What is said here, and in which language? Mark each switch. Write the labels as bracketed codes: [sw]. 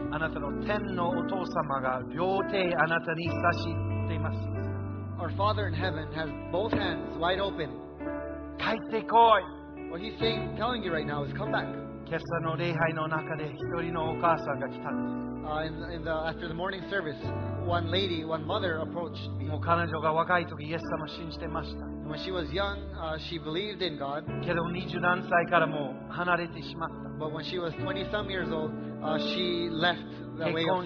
[ja] あなたの天のお父様が両手あなたに差し出ています。 [en] Our Father in heaven has both hands wide open. [ja] 帰ってこい。 [en] What he's saying, telling you right now is come back. [ja] 今朝の礼拝の中で一人のお母さんが来たんです。 [en] After the morning service, one lady, one mother approached me. [ja] もう彼女が若い時、イエス様を信じてました。 [en] When she was young, she believed in God. [ja] けど二十何歳からもう離れてしまった。 [en] But when she was 20 some years old, she left the way of faith.